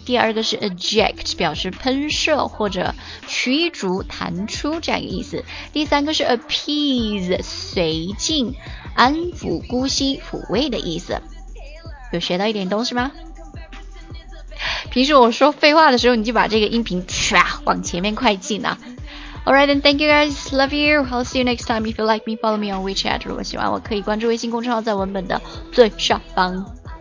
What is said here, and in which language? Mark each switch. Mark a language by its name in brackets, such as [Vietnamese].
[Chinese] 第二个是 eject， 表示喷射或者驱逐弹出这样一个意思。第三个是 appease， 随境安抚姑息抚慰的意思。有学到一点东西吗？平时我说废话的时候，你就把这个音频往前面快进啊。 [English] Alright, then thank you guys. Love you. I'll see you next time. If you like me, follow me on WeChat. [Chinese] 如果喜欢我可以关注微信公众号，在文本的最下方。